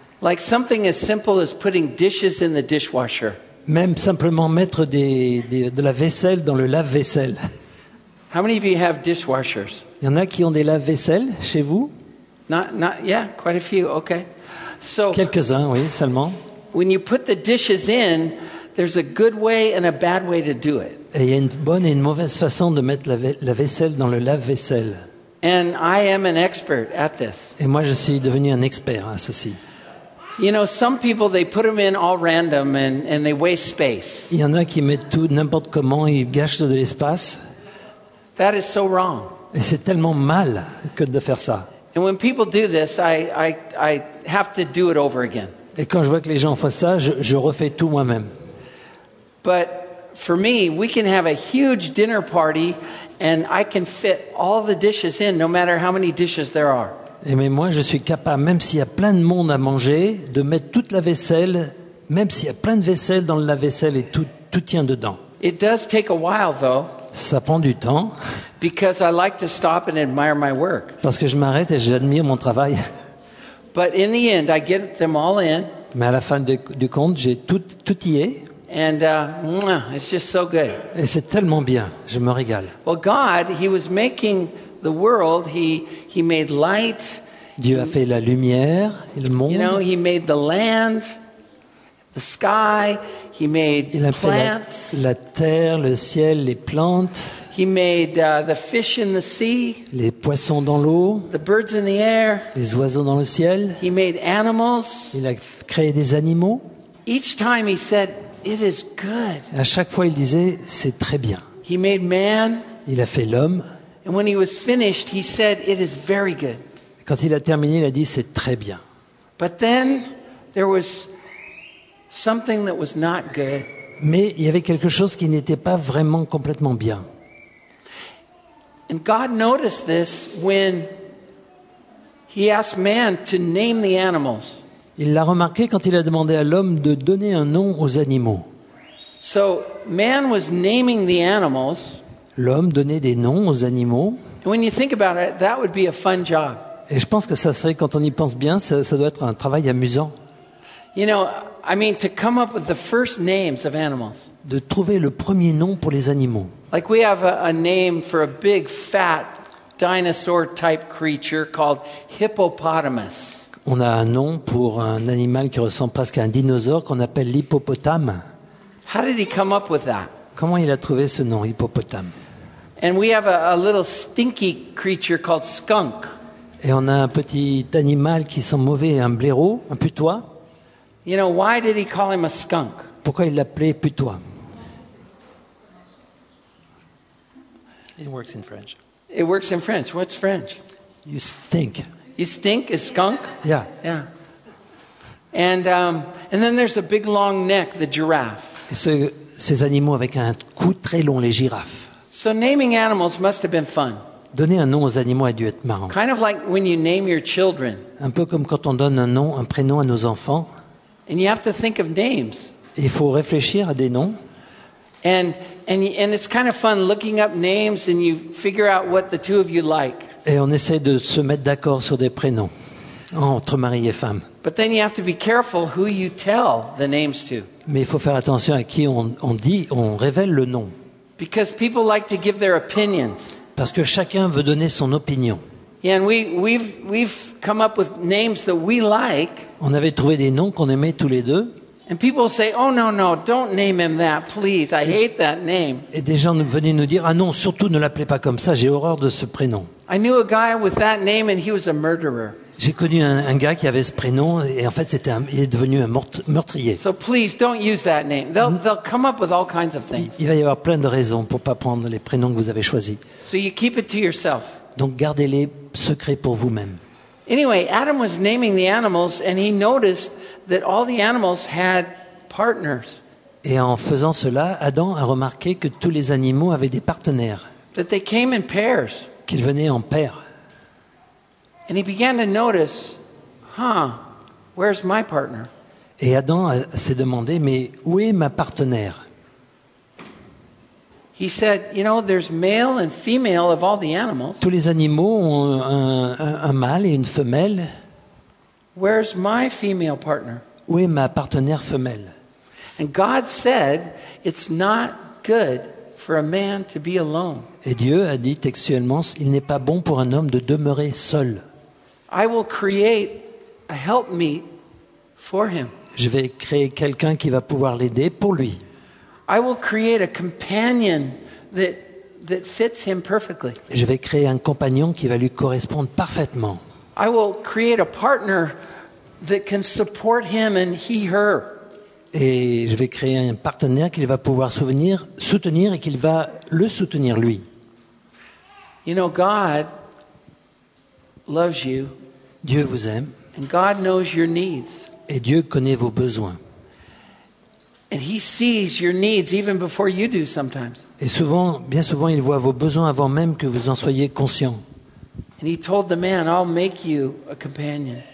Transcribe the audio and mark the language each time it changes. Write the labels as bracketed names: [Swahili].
[English] Like something as simple as putting dishes in the dishwasher. [French] Même simplement mettre de la vaisselle dans le lave-vaisselle. [English] How many of you have dishwashers? [French] Il y en a qui ont des lave-vaisselles chez vous? [English] Not yeah, quite a few. Okay. [French] So. Quelques-uns, oui, seulement. [English] When you put the dishes in, there's a good way and a bad way to do it. [French] Et il y a une bonne et une mauvaise façon de mettre la vaisselle dans le lave-vaisselle. [English] And I am an expert at this. [French] Et moi, je suis devenu un expert à ceci. [English] You know, some people they put them in all random and they waste space. [French] Il y en a qui mettent tout n'importe comment, ils gâchent de l'espace. [English] That is so wrong. [French] Et c'est tellement mal que de faire ça. [English] And when people do this, I have to do it over again. [French] Et quand je vois que les gens font ça, je refais tout moi-même. [English] But for me, we can have a huge dinner party and I can fit all the dishes in no matter how many dishes there are. [French] Et mais moi, je suis capable, même s'il y a plein de monde à manger, de mettre toute la vaisselle, même s'il y a plein de vaisselle dans le lave-vaisselle et tout tient dedans. [English] It does take a while though. [French] Ça prend du temps. [English] Because I like to stop and admire my work. [French] Parce que je m'arrête et j'admire mon travail. [English] But in the end, I get them all in. [French] Mais à la fin du compte, j'ai tout y est. [English] And it's just so good. [French] Et c'est tellement bien, je me régale. [English] Well, God, he was making the world. He made light. [French] Dieu a fait la lumière, le monde. [English] You know, he made the land, the sky. He made plants. [French] La terre, le ciel, les plantes. [English] He made the fish in the sea. [French] Les poissons dans l'eau. [English] The birds in the air. [French] Les oiseaux dans le ciel. [English] He made animals. [French] Il a créé des animaux. [English] Each time he said, "It is good." [French] À chaque fois, il disait, c'est très bien. [English] He made man. [French] Il a fait l'homme. [English] And when he was finished, he said, "It is very good." [French] Quand il a terminé, il a dit, c'est très bien. [English] But then there was something that was not good. [French] Mais il y avait quelque chose qui n'était pas vraiment complètement bien. [English] And God noticed this when he asked man to name the animals. [French] Il l'a remarqué quand il a demandé à l'homme de donner un nom aux animaux. [English] So man was naming the animals. [French] L'homme donnait des noms aux animaux. [English] And when you think about it, that would be a fun job. [French] Et je pense que ça serait, quand on y pense bien, ça doit être un travail amusant. [English] You know, I mean, to come up with the first names of animals. [French] De trouver le premier nom pour les animaux. [English] Like we have a name for a big, fat, dinosaur-type creature called hippopotamus. [French] On a un nom pour un animal qui ressemble presque à un dinosaure qu'on appelle l'hippopotame. [English] How did he come up with that? [French] Comment il a trouvé ce nom, hippopotame? [English] And we have a little stinky creature called skunk. [French] Et on a un petit animal qui sent mauvais, un blaireau, un putois. [English] You know, why did he call him a skunk? [French] Pourquoi il l'appelait putois? [English] It works in French. It works in French. What's French? You stink. You stink is skunk? Yeah. Yeah. And then there's a big long neck, the giraffe. [French] Et ces animaux avec un cou très long, les girafes. [English] So naming animals must have been fun. [French] Donner un nom aux animaux a dû être marrant. [English] Kind of like when you name your children. [French] Un peu comme quand on donne un nom, un prénom à nos enfants. [English] And you have to think of names. [French] Il faut réfléchir à des noms. [English] And it's kind of fun looking up names and you figure out what the two of you like. [French] Et on essaie de se mettre d'accord sur des prénoms entre mari et femme. [English] But then you have to be careful who you tell the names to. [French] Mais il faut faire attention à qui on révèle le nom. [English] Because people like to give their opinions. [French] Parce que chacun veut donner son opinion. [English] Yeah, and we've come up with names that we like. [French] On avait trouvé des noms qu'on aimait tous les deux. [English] And people say, "Oh no, no, don't name him that, please. I hate that name." [French] Et des gens venaient nous dire, "Ah non, surtout ne l'appelez pas comme ça, j'ai horreur de ce prénom." [English] I knew a guy with that name and he was a murderer. [French] J'ai connu un gars qui avait ce prénom et en fait il est devenu un meurtrier. [English] So please don't use that name. They'll come up with all kinds of things. [French] Il va y avoir plein de raisons pour pas prendre les prénoms que vous avez choisis. [English] So you keep it to yourself. [French] Donc gardez-les secrets pour vous-même. [English] Anyway, Adam was naming the animals and he noticed that all the animals had partners. [French] Et en faisant cela, Adam a remarqué que tous les animaux avaient des partenaires. [English] That they came in pairs. [French] Qu'ils venaient en paires. [English] And he began to notice, "Huh, where's my partner?" [French] Et Adam s'est demandé, mais où est ma partenaire? [English] He said, "You know, there's male and female of all the animals." [French] Tous les animaux ont un mâle et une femelle. [English] "Where's my female partner?" [French] Où est ma partenaire femelle? [English] And God said, "It's not good for a man to be alone." [French] Et Dieu a dit textuellement, il n'est pas bon pour un homme de demeurer seul. [English] I will create a helpmeet for him. [French] Je vais créer quelqu'un qui va pouvoir l'aider pour lui. [English] I will create a companion that fits him perfectly. [French] Je vais créer un compagnon qui va lui correspondre parfaitement. [English] I will create a partner that can support him and he her. [French] Et je vais créer un partenaire qu'il va pouvoir soutenir et qu'il va le soutenir lui. [English] You know, God loves you. [French] Dieu vous aime. [English] And God knows your needs. [French] Et Dieu connaît vos besoins. [English] And he sees your needs even before you do sometimes. [French] Et souvent, bien souvent, il voit vos besoins avant même que vous en soyez conscient. [English] And he told the man, "I'll make you a companion."